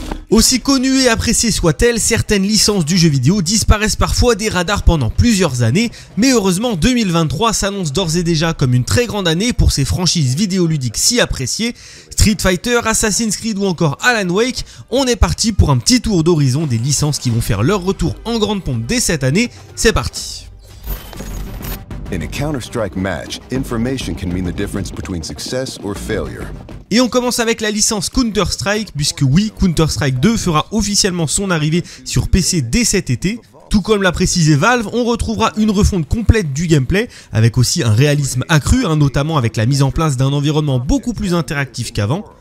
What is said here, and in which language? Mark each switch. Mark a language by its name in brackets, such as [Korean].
[French] Aussi connue et appréciée soit-elle, certaines licences du jeu vidéo disparaissent parfois des radars pendant plusieurs années, mais heureusement 2023 s'annonce d'ores et déjà comme une très grande année pour ces franchises vidéoludiques si appréciées. Street Fighter, Assassin's Creed ou encore Alan Wake, on est parti pour un petit tour d'horizon des licences qui vont faire leur retour en grande pompe dès cette année. C'est parti. [English] In a Counter-Strike match, information can mean the difference between success or failure. [French] Et on commence avec la licence Counter-Strike, puisque oui, Counter-Strike 2 fera officiellement son arrivée sur PC dès cet été. Tout comme l'a précisé Valve, on retrouvera une refonte complète du gameplay, avec aussi un réalisme accru, notamment avec la mise en place d'un environnement beaucoup plus interactif qu'avant.